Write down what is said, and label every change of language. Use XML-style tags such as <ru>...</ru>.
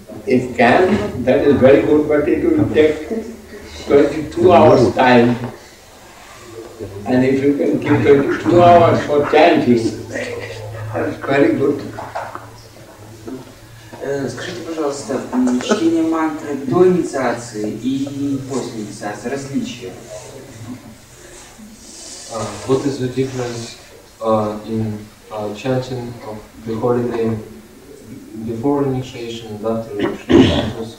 <en>If can, that is very good, but it will take 22 hours time. And if you can keep 22 hours for chanting, that is very good.</en> <ru>Скажите, пожалуйста, чтение мантры до инициации и после инициации, различия?</ru> <en>What is the difference in chanting of the holy name before initiation and after initiation?</en>